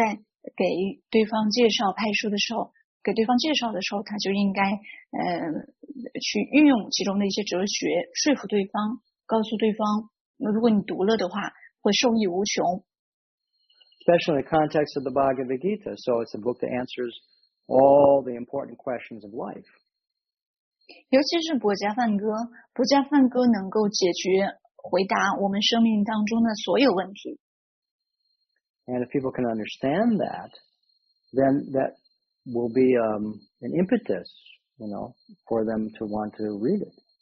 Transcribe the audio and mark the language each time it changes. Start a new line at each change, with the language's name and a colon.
Chinese: 如果派书者本人就很精通，很了解他所派的书，那在给对方介绍派书的时候。给对方介绍的时候，他就应该，去运用其中的一些哲学，说服对方，告诉对方，如果你读了的话，会受益无穷。
English: Especially in the context of the Bhagavad Gita, so it's a book that answers all the important questions of life.
Chinese: 尤其是《薄伽梵歌》，《薄伽梵歌》能够解决、回答我们生命当中的所有问题。
English: And if people can understand that, then that will be an impetus, you know, for them to want to read it.